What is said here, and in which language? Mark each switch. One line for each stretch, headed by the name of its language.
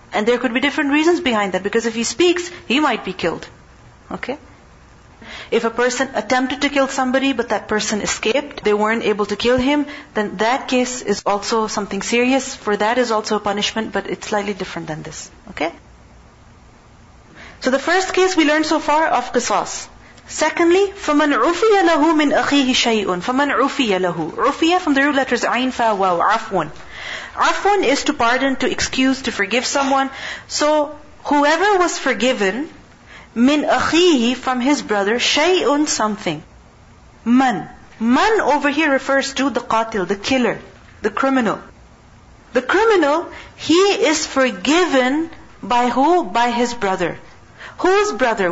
English: And there could be different reasons behind that, because if he speaks, he might be killed. Okay? If a person attempted to kill somebody, but that person escaped, they weren't able to kill him, then that case is also something serious, for that is also a punishment, but it's slightly different than this. Okay? So the first case we learned so far of qisas. Secondly,
Arabic: فَمَنْ عُفِيَ لَهُ مِنْ أَخِيهِ شَيْءٌ فَمَنْ عُفِيَ لَهُ عُفِيَ
English: from the root letters
Arabic: عَيْن فَا وَاوْ عَفْوٌ عَفْوٌ
English: is to pardon, to excuse, to forgive someone. So whoever was forgiven,
Arabic: مِنْ أَخِيهِ
English: from his brother,
Arabic: شَيْءٌ
English: something.
Arabic: مَنْ مَنْ
English: over here refers to the قَاتِل, the killer, the criminal. The criminal, he is forgiven by who? By his brother. Whose brother?